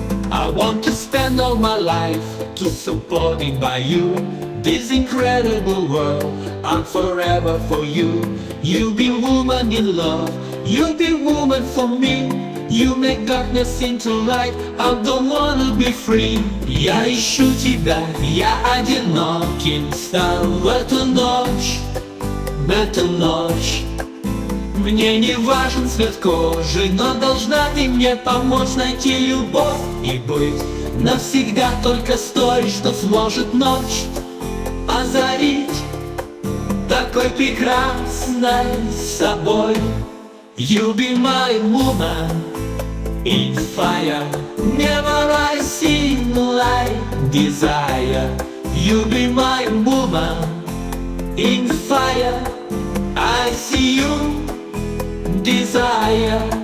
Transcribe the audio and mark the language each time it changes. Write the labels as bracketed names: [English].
[English] I want to spend all my life to supporting by you. This incredible world, I'm forever for you. You be woman in love, you be woman for me. You make darkness into light, I don't wanna be free. [Russian] Я ищу тебя, я одиноким стал в эту ночь, в эту ночь. Мне не важен цвет кожи, но должна ты мне помочь найти любовь и быть навсегда только с той, что сможет ночь озарить такой прекрасной собой. [English] You be my woman in fire, never I seen light desire. You be my woman in fire, I see you desire.